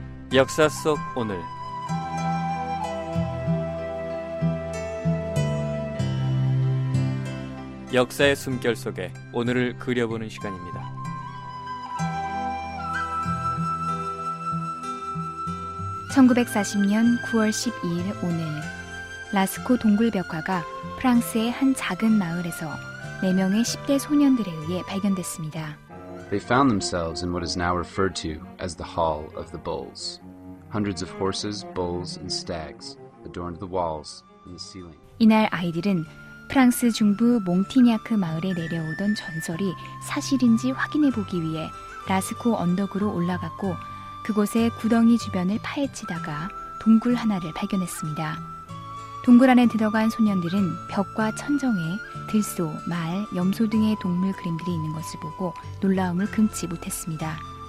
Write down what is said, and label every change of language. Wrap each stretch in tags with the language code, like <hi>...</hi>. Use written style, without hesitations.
<ko>(목소리) 역사 속 오늘 역사의 숨결 속에 오늘을 그려보는 시간입니다. 1940년 9월 12일 오늘 라스코 동굴벽화가 프랑스의 한 작은 마을에서 4명의 10대 소년들에 의해 발견됐습니다.</ko> <en>They found themselves in what is now referred to as the Hall of the Bulls. Hundreds of horses, bulls, and stags adorned the walls and the ceiling.</en> <ko>이날 아이들은 프랑스 중부 몽티냐크 마을에 내려오던 전설이 사실인지 확인해보기 위해 라스코 언덕으로 올라갔고 그곳의 구덩이 주변을 파헤치다가 동굴 하나를 발견했습니다. 동굴 안에 들어간 소년들은 벽과 천정에 들소, 말, 염소 등의 동물 그림들이 있는 것을 보고 놀라움을 금치 못했습니다.</ko>